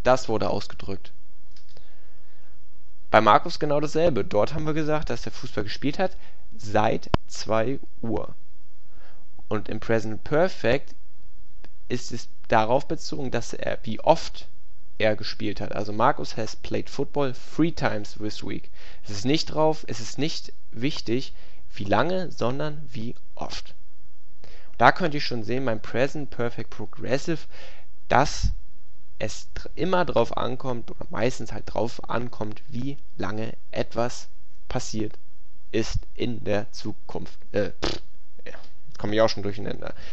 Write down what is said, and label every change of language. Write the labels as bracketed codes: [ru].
[de] Das wurde ausgedrückt. Bei Markus genau dasselbe. Dort haben wir gesagt, dass er Fußball gespielt hat seit 2 Uhr. Und im Present Perfect ist es darauf bezogen, dass er wie oft er gespielt hat. [en] Also Marcus has played football 3 times this week. [de] Es ist nicht drauf, es ist nicht wichtig, wie lange, sondern wie oft. Da könnt ihr schon sehen, beim Present Perfect Progressive, dass es immer drauf ankommt, oder meistens halt drauf ankommt, wie lange etwas passiert ist in der Zukunft. Komme ich auch schon durcheinander.